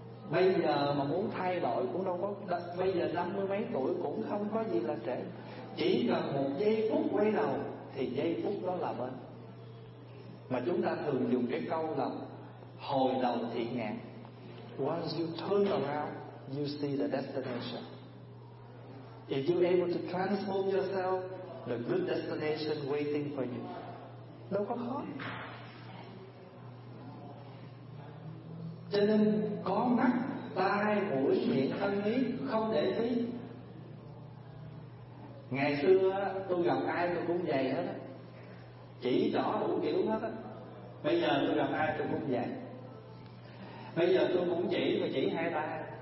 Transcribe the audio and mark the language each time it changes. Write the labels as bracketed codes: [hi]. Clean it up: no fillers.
[vi] Bây giờ mà muốn thay đổi cũng đâu có, bây giờ 50 mấy tuổi cũng không có gì là trễ. Chỉ cần một giây phút quay đầu thì giây phút đó là bên. Mà chúng ta thường dùng cái câu là hồi đầu thiện ngạn. [en] Once you turn around, you see the destination. If you're able to transform yourself, the good destination waiting for you. [vi] Đâu có khó. Cho nên có mắt, tai, mũi, miệng, thân ý, không để phí. Ngày xưa tôi gặp ai tôi cũng vậy hết á, chỉ rõ đủ kiểu hết á. Bây giờ tôi gặp ai tôi cũng vậy. Bây giờ tôi cũng chỉ, mà chỉ hai tay.